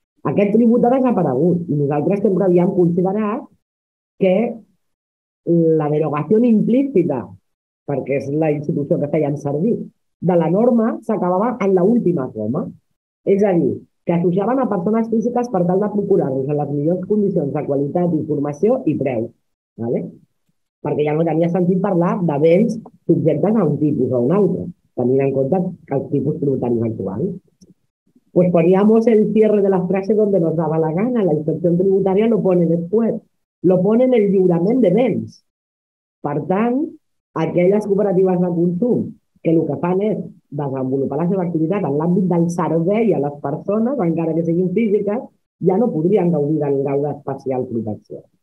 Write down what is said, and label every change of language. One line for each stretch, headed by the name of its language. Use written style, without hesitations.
Catalan: Aquest tribut ha desaparegut i nosaltres sempre havíem considerat que la derogació implícita, perquè és la institució que feien servir, de la norma s'acabava en l'última coma. És a dir, que associaven a persones físiques per tal de procurar-los en les millors condicions de qualitat, d'informació i preu. Perquè ja no tenia sentit parlar de béns subjectes a un tipus o a un altre, tenint en compte els tipus tributaris actuals.
Spanish: Pues poníamos el cierre de la frase donde nos daba la gana. La inspección tributaria lo pone después. Lo pone en el
Catalan: lliurament de béns. Per tant, aquelles cooperatives de consum que el que fan és desenvolupar la seva activitat en l'àmbit del servei a les persones, encara que siguin físiques, ja no podrien gaudir del grau d'especial protecció.